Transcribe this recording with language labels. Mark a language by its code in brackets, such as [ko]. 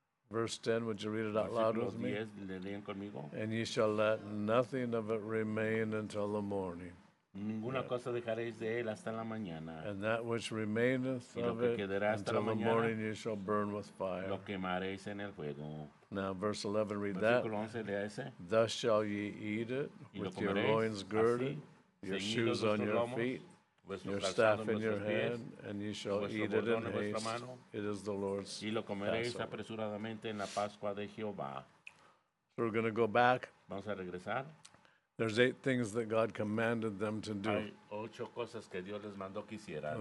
[en] Verse 10, would you read it out loud with me? [es] Le leen conmigo. [en] And ye shall let nothing of it remain until the morning. [es] Ninguna cosa dejaréis de él hasta la mañana. [en] And that which remaineth of it until the morning you shall burn with fire. [es] Lo quemaréis en el fuego. [en] Now, verse 11, read that. [es] Versículo 11, lea ese. [en] Thus shall ye eat it, with your loins girded, your shoes on your feet, your staff in your hand, and ye shall eat it in haste. It is the Lord's Passover. [es] Y lo comeréis apresuradamente en la Pascua de Jehová. [en] So we're going to go back. [es] Vamos a regresar. [en] There's eight things that God commanded them to do. [es] Hay ocho cosas que Dios les mandó que hicieran.